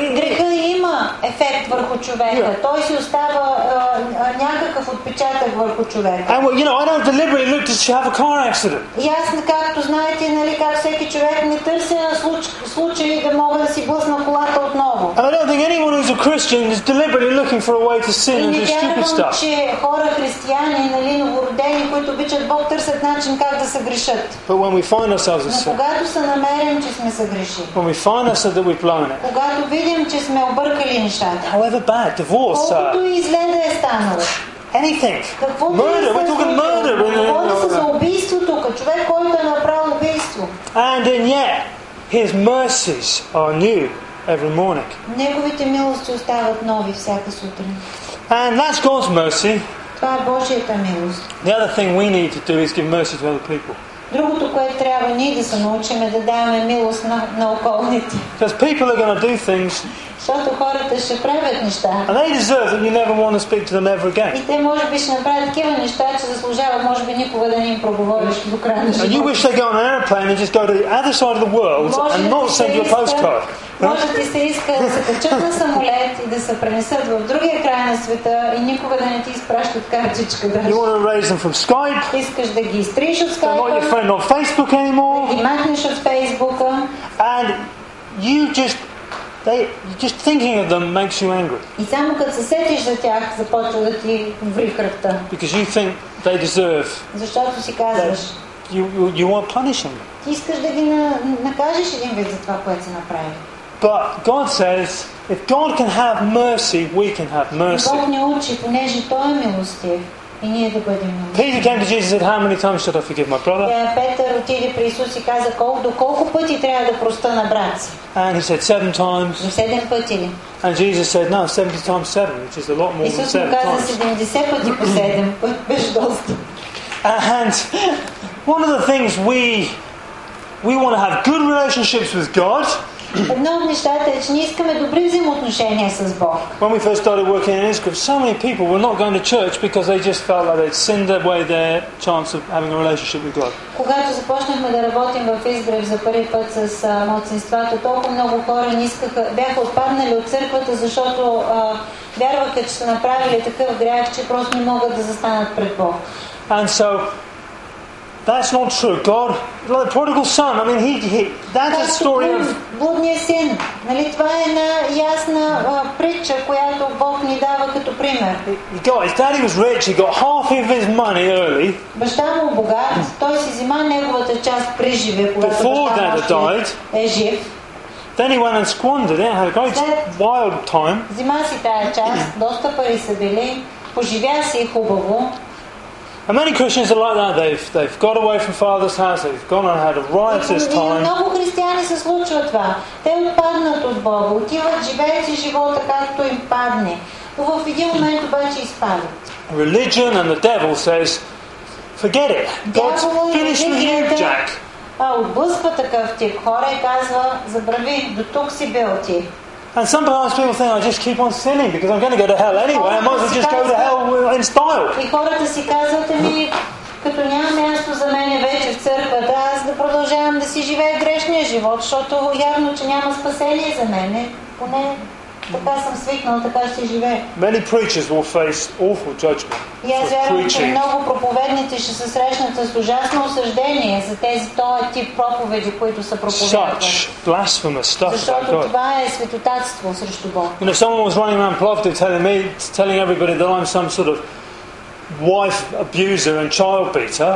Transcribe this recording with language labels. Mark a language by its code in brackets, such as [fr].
[bg] Грехът има ефект върху човека. Той си остава някакъв отпечатък върху човека. [en] And well, you know, I don't deliberately look to have a car accident. [bg] Ясно, както знаете, нали, как всеки човек не търси на случай да мога да си блъсна колата отново. [en] And I don't think anyone who's a Christian is deliberately looking for a way to sin and do stupid stuff. [bg] Че хора християни, нали, новородени, които обичат Бог, търсят начин как да се грешат. [en] But when we find ourselves as sin, [bg] когато се намерим, че сме съгрешили. [en] When we find ourselves that we've blown it. [bg] Когато видим, че сме объркали нещата. [en] However bad, divorce, [bg] колкото и зле да е станало. [en] Anything. Murder, we're talking murder. [bg] Човек, който е направил убийство. [en] And then yet, his mercies are new every morning. [bg] Неговите милости остават нови всяка сутрин. [en] And that's God's mercy. [bg] Това е Божията милост. [en] The other thing we need to do is give mercy to other people. [bg] Другото, което трябва ние да се научим е да даваме милост на околните. [en] Because people are going to do things. [bg] Защото хората ще правят неща. [en] And they deserve that you never want to speak to them ever again. [bg] И те може би ще направят такива неща, че заслужават може би никога да не им проговориш до края на живота. [en] And you wish they go on an airplane and just go to the other side of the world and not send you a postcard. [bg] Може ти се иска да се качат на самолет и да се пренесат в другия край на света и никога да не ти изпращат картичка. [en] You want to raise them from Skype? [bg] Искаш да ги изтриш от Skype? [en] Don't want your friend on Facebook anymore? [bg] Да ги махнеш от Facebook? [en] And you just thinking of them makes you angry. [bg] И само като се сетиш за тях, започва да ти ври кръвта. [en] Because you think they deserve. [bg] Защото си казваш. [en] You want punishing. [bg] Ти искаш да ги накажеш един вид за това, което си направил. [en] But God says, if God can have mercy, we can have mercy. [bg] Бог ни учи, понеже Той е милостив. И ние да бъдем милостиви. [en] Peter came to Jesus and said, how many times should I forgive my brother? [bg] Yeah, Петър отиде при Исус и каза, до колко пъти трябва да проста на брат си? [en] And he said, 7 times. [bg] И 7 пъти. [en] And Jesus said, no, 70 times 7, which is a lot more [bg] Исус [en] than 7 [bg] каза, [en] times. [bg] Исус му каза, 70 пъти по 7, беше доста. [en] And one of the things we want to have good relationships with God. [bg] Едно от нещата е, че ние искаме добри взаимоотношения с Бог. [en] When we first started working in Iskra, so many people were not going to church because they just felt like they'd sinned away their chance of having a relationship with God. [bg] Когато започнахме да работим в Изгрев за първи път с младсинствата, толкова много хора бяха отпаднали от църквата, защото вярваха, че са направили такъв грях, че просто не могат да застанат пред Бог. [en] And so, that's not true. God, like the prodigal son, I mean, he that's a story of [bg] блудния син. Нали, това е една ясна притча, която Бог ни дава като пример. [en] His daddy was rich, he got half of his money early. [bg] Баща му богат, той си взима неговата част при живе, когато баща му [en] died. [bg] Е жив. [en] Then he went and squandered it, had a great wild time. [bg] Взима си тая част, доста пари са били, поживя си хубаво. [en] And many Christians are like that. They've got away from Father's house. They've gone and had a riotous time. [bg] Много християни се случва това. Те отпаднат от Бога, отиват, живеят си живота както им падне. Но в един момент обаче изпадат. [en] Religion and the devil says, forget it. God's finished with you, Jack. [bg] А отблъсква такъв тип хора и казва, забрави, до тук си бил ти. [en] And sometimes people think, I just keep on sinning because I'm going to go to hell anyway. I might as well just go to hell in style. [bg] И хората си казват, ами, като няма място за мене вече в църквата, аз да продължавам да си живея грешния живот, защото явно, че няма спасение за мене. Поне така съм свикнал, така ще живея. [en] Many preachers will face awful judgment. [bg] И аз вярвам, че много проповедници ще се срещнат с ужасно осъждение за тези този тип проповеди, които са проповедвани. Защото това е светотатство срещу Бог. [en] You know, someone was running around Plovdiv telling everybody that I'm some sort of wife abuser and child beater.